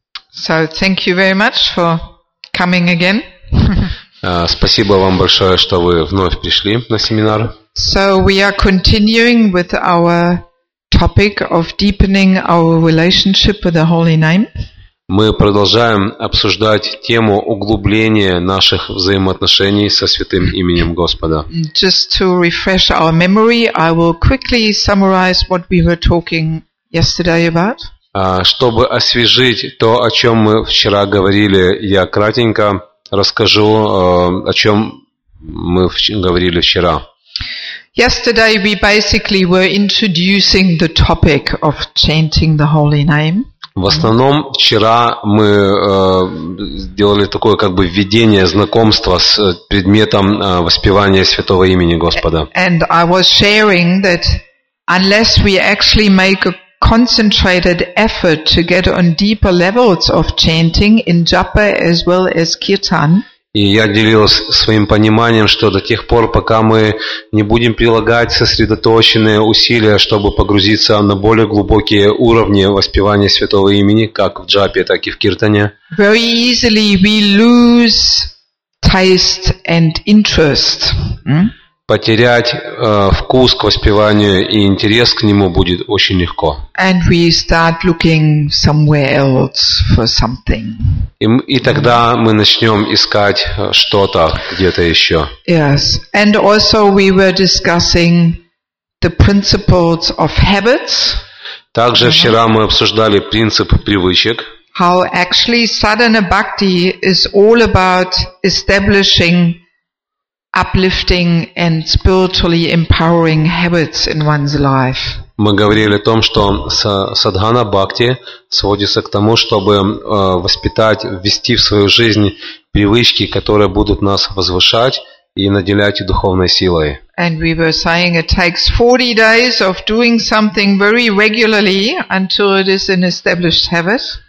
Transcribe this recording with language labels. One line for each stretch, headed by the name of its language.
English: So, thank you very much for coming again.
Russian: Спасибо вам большое, что вы вновь пришли на семинар.
English: So we are continuing with our topic of deepening our relationship with the Holy Name.
Russian: Мы продолжаем обсуждать тему углубления наших взаимоотношений со святым именем Господа.
English: Just to refresh our memory, I will quickly summarize what we were talking yesterday about.
Russian: Чтобы освежить то, о чем мы вчера говорили, я кратенько расскажу, о чем мы говорили вчера.
English: Yesterday we basically were introducing the topic of chanting the Holy Name.
Russian: В основном вчера мы сделали такое как бы введение, знакомство с предметом воспевания святого имени Господа.
English: And I was sharing that unless we actually make a concentrated effort to get on deeper levels of chanting in japa as well as kirtan.
Russian: И я делилась своим пониманием, что до тех пор, пока мы не будем прилагать сосредоточенные усилия, чтобы погрузиться на более глубокие уровни воспевания святого имени, как в джапе, так и в киртане,
English: very easily we lose taste and interest.
Russian: Потерять вкус к воспеванию и интерес к нему будет очень легко.
English: And we start looking somewhere else for something.
Russian: И тогда мы начнем искать что-то где-то еще.
English: Yes. And also we were discussing the principles of habits.
Russian: Также вчера мы обсуждали принцип привычек.
English: How actually sadhana bhakti is all about establishing uplifting and spiritually empowering habits in one's life.
Russian: Мы говорили о том, что садхана бхакти сводится к тому, чтобы воспитать, ввести в свою жизнь привычки, которые будут нас возвышать и наделять духовной силой.
English: And we were saying it takes 40 days of doing something very regularly until it is an established habit.